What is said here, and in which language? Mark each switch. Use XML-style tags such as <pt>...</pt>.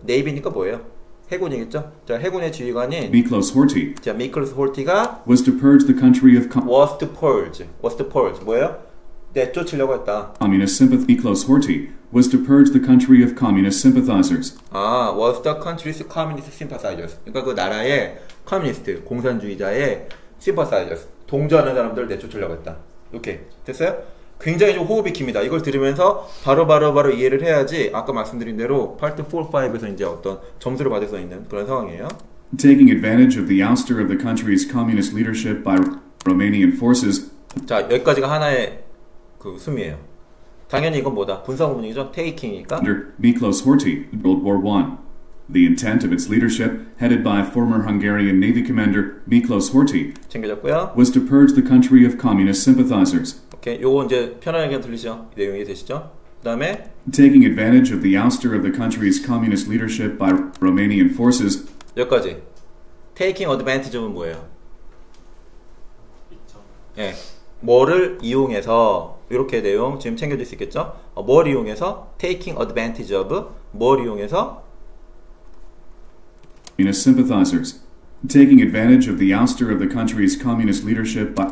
<ko>Navy니까 뭐예요? 해군이겠죠? 자, 해군의 지휘관인</ko> <en>Miklos Horthy</en> <ko>자, 미클스 홀티가</ko> <en>was to purge the country of was to purge. Was to purge.</en> <ko>뭐예요? 내쫓으려고 했다.</ko> <en>communist sympathy. Miklos Horthy was to purge the country of communist sympathizers. 아, was the country's communist sympathizers.</en> <ko>그러니까 그 나라의 커뮤니스트, 공산주의자의 sympathizers, 동조하는 사람들을 내쫓으려고 했다. 이렇게 됐어요? 굉장히 좀 호흡이 깁니다. 이걸 들으면서 바로 이해를 해야지 아까 말씀드린 대로 파트 4, 5에서 이제 어떤 점수를 받을 수 있는 그런 상황이에요.</ko> <en>Taking advantage of the ouster of the country's communist leadership by Romanian forces.</en> <ko>자, 여기까지가 하나의 그 숨이에요. 당연히 이건 뭐다? 분석문이죠? Taking이니까.</ko> <en>Under Miklos Horthy, World War I. The intent of its leadership, headed by former Hungarian Navy commander Miklos Horthy,</en> <ko>챙겨졌고요.</ko> <en>Was to purge the country of communist sympathizers.</en> <ko>오케이, 요거 이제 편안하게 들리시죠? 내용이 되시죠? 그 다음에</ko> <en>Taking advantage of the ouster of the country's communist leadership by Romanian forces.</en> <ko>여기까지. Taking advantage는 뭐예요? 예, 뭐를 이용해서 이렇게 내용 지금 챙겨줄 수 있겠죠? 뭘 이용해서</ko> <en>taking advantage of</en> <ko>뭘 이용해서</ko> <en>communist sympathizers taking advantage of the ouster of the country's communist leadership by</en>